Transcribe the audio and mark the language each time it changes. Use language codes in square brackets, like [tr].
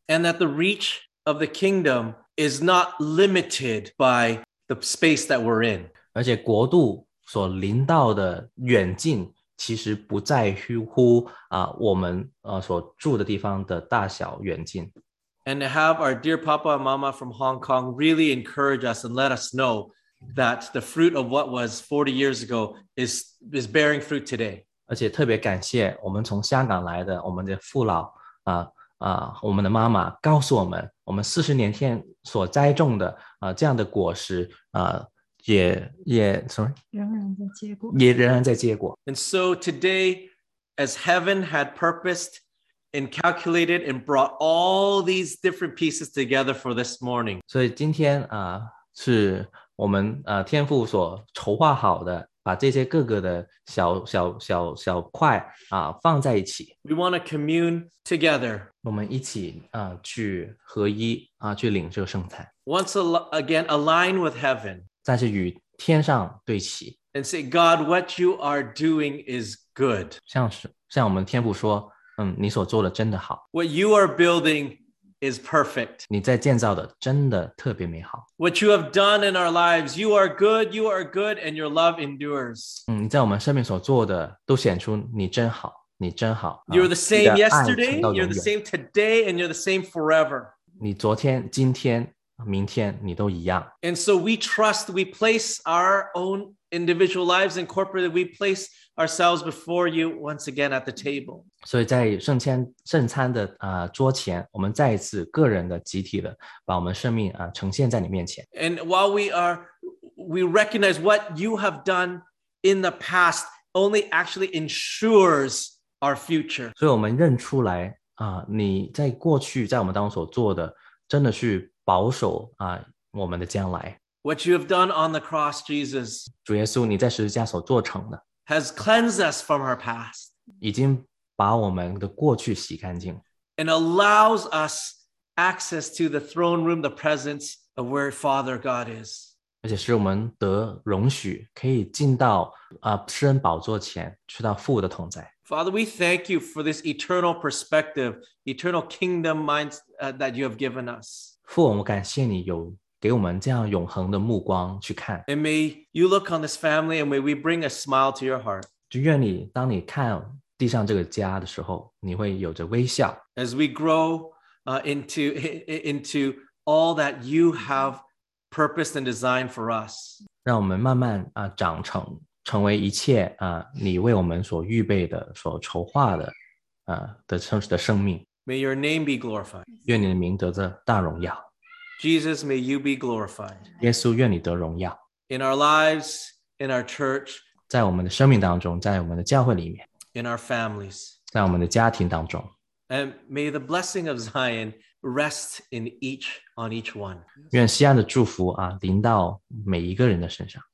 [en] And that the reach of the kingdom is not limited by the space that we're in. [zh] 而且国度所临到的远近其实不在乎我们所住的地方的大小远近。 [en] And to have our dear Papa and Mama from Hong Kong really encourage us and let us know that the fruit of what was 40 years ago is bearing fruit today. [zh] 而且特别感谢我们从香港来的我们的父老我们的妈妈告诉我们我们40年前所栽种的这样的果实也仍然在结果。 [en] And so today, as heaven had purposed and calculated and brought all these different pieces together for this morning. [zh] 所以今天是我们天父所筹划好的把这些各个的小块放在一起。 [en] We want to commune together. [zh] 我们一起去合一去领受圣餐。 [en] Once again, align with heaven. [zh] 但是与天上对齐 [en] and say, God, what you are doing is good. [zh] 像我们天父说，你所做的真的好。 [en] What you are building is perfect. [zh] 你在建造的真的特别美好。 [en] What you have done in our lives, you are good, and your love endures. [zh] 你在我们生命所做的都显出你真好，你真好。 [en] You're the same yesterday, you're the same today, and you're the same forever. [zh] 你昨天，今天。明天你都一样。 [en] And so we trust, we place our own individual lives and corporately, we place ourselves before you once again at the table. [zh] 所以在圣餐的桌前，我们再一次个人的、集体的，把我们生命呈现在你面前。 [en] And while we recognize what you have done in the past only actually ensures our future. [zh] 所以我们认出来你在过去在我们当中所做的真的是保守我们的将来。 [en] What you have done on the cross, Jesus, [zh] 主耶稣你在十字架所做成的 [en] has cleansed us from our past, [zh] 已经把我们的过去洗干净 [en] and allows us access to the throne room, the presence of where Father God is. [zh] 而且使我们得容许可以进到施恩宝座前去到父的同在。 [en] Father, we thank you for this eternal perspective, eternal kingdom minds that you have given us. [zh] 父，我们感谢你有给我们这样永恒的目光去看。 [en] And may you look on this family, and may we bring a smile to your heart. [zh] 就愿你当你看地上这个家的时候，你会有着微笑。 [en] As we grow into all that you have purposed and designed for us, [zh] 让我们慢慢长成，成为一切你为我们所预备的、所筹划的的生命。 [en] May your name be glorified. [zh] 愿你的名得着大荣耀。 [en] Jesus, may you be glorified. [zh] 耶稣，愿你得荣耀。 [en] In our lives, in our church. [zh] 在我们的生命当中，在我们的教会里面。 [en] In our families. [zh] 在我们的家庭当中。 [en] And may the blessing of Zion rest in each, on each one. [zh] 愿锡安的祝福临到每一个人的身上。